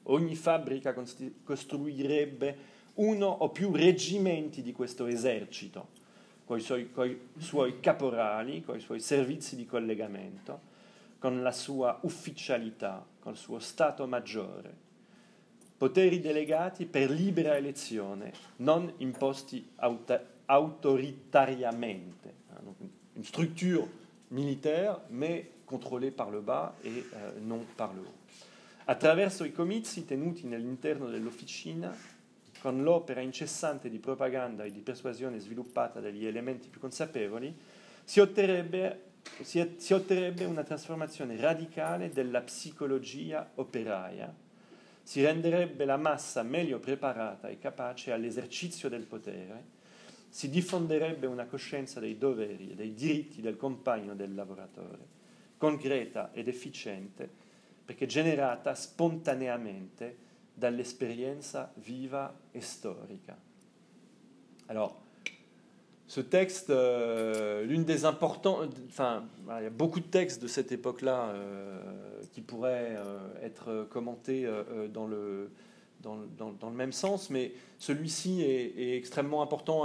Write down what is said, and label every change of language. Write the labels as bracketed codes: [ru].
[it] Ogni fabbrica costruirebbe uno o più reggimenti di questo esercito, coi suoi caporali, coi suoi servizi di collegamento, con la sua ufficialità, col suo stato maggiore. Poteri delegati per libera elezione, non imposti autoritariamente. [fr] Une structure militaire, mais contrôlée par le bas et non par le haut. [it] Attraverso i comizi tenuti nell'interno dell'officina, con l'opera incessante di propaganda e di persuasione sviluppata dagli elementi più consapevoli, si otterrebbe una trasformazione radicale della psicologia operaia. Si renderebbe la massa meglio preparata e capace all'esercizio del potere, si diffonderebbe una coscienza dei doveri e dei diritti del compagno del lavoratore, concreta ed efficiente, perché generata spontaneamente dall'esperienza viva e storica. [fr] Alors, ce texte, l'une des importants, enfin, il y a beaucoup de textes de cette époque-là qui pourraient être commentés dans le même sens, mais celui-ci est extrêmement important.